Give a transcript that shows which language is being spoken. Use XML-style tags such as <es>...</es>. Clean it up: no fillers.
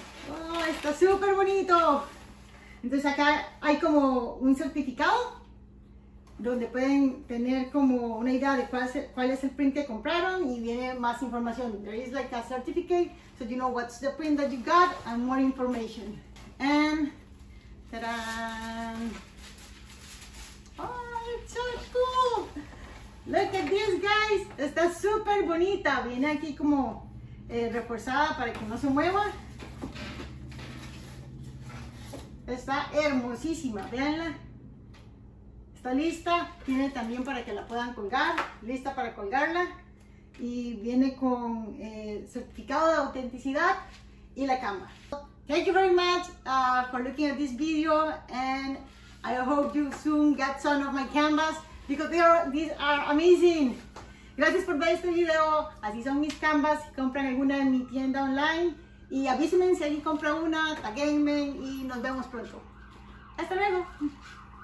<es>Oh, está súper bonito. Entonces acá hay como un certificado donde pueden tener como una idea de cuál es el print que compraron y viene más información.</es> <en>There is like a certificate, so you know what's the print that you got and more information. And, ta-da! Oh, it's so cool! Look at this, guys!</en> <es>Está súper bonita. Viene aquí como reforzada para que no se mueva. Está hermosísima, véanla. Está lista, tiene también para que la puedan colgar, lista para colgarla. Y viene con certificado de autenticidad y la canva.</es> <en>Thank you very much for looking at this video, and I hope you soon get some of my canvas, because these are amazing.</en> <es>Gracias por ver este video, así son mis canvas, compran alguna en mi tienda online. Y avísenme si alguien compra una, taguéenme y nos vemos pronto. Hasta luego.</es>